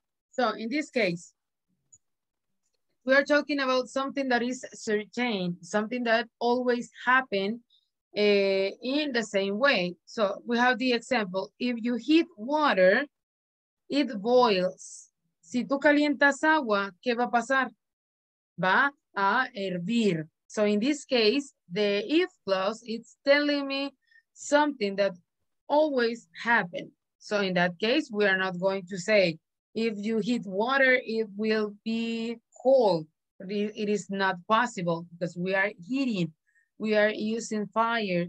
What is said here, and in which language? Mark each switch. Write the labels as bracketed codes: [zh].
[en] So in this case, we are talking about something that is certain, something that always happens in the same way. So we have the example, if you heat water, it boils. [es] Si tú calientas agua, ¿qué va a pasar? Va a hervir. [en] So in this case, the if clause is telling me something that always happens. So in that case, we are not going to say, if you heat water, it will be cold. It is not possible because we are heating. We are using fire.